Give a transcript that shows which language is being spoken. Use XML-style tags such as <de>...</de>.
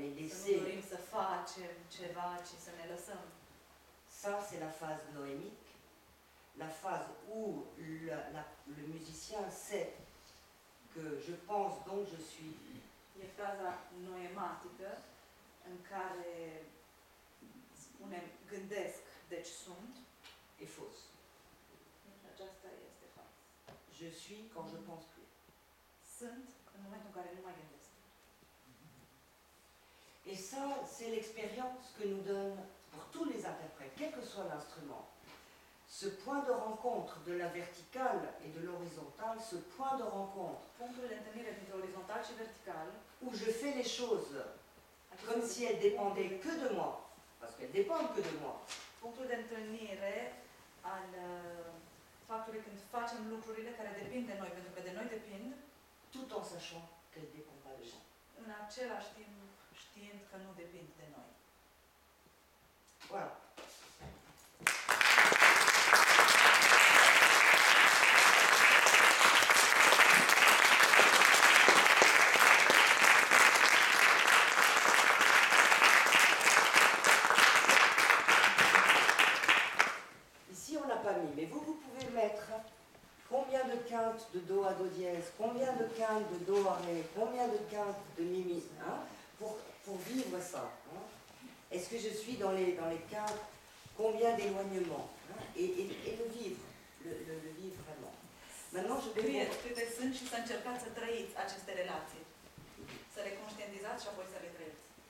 <ro>Să nu dorim să facem ceva, ci să ne lăsăm.</ro> <fr>Ça, c'est la phase noémique, la phase où le musicien sait que je pense, donc je suis.</fr> <ro>E faza noematică în care spunem gândesc, deci sunt.</ro> <fr>Et fausse.</fr> <ro>Aceasta este fals.</ro> <fr>Je suis quand je pense plus.</fr> <ro>Sunt în momentul în care nu mai gândesc.</ro> <fr>Et ça, c'est l'expérience que nous donne pour tous les interprètes, quel que soit l'instrument. Ce point de rencontre de la verticale et de l'horizontale, ce point de rencontre où je fais les choses comme si elles dépendaient que de moi, parce qu'elles dépendent que de moi.</fr> <ro>Punctul de întâlnire al faptului când facem lucrurile care depind de noi, pentru că de noi depind,</ro> <fr>tout en sachant qu'elles dépendent pas de moi.</fr> <ro>În același timp, știind că nu depind de noi.</ro> <fr>Voilà. Ici, on n'a pas mis, mais vous pouvez mettre combien de quintes de Do à Do dièse, combien de quintes de Do à Ré, combien de quintes de Mi mineur, hein, pour vivre ça. Hein. Est-ce que je suis dans les quintes, combien d'éloignements, hein, et le vivre, le vivre vraiment. Maintenant, je vais vous...</fr> <ro>Câte sunt și să încercați să trăiți aceste relații. Să le conștientizați și apoi să le trăiți.</ro>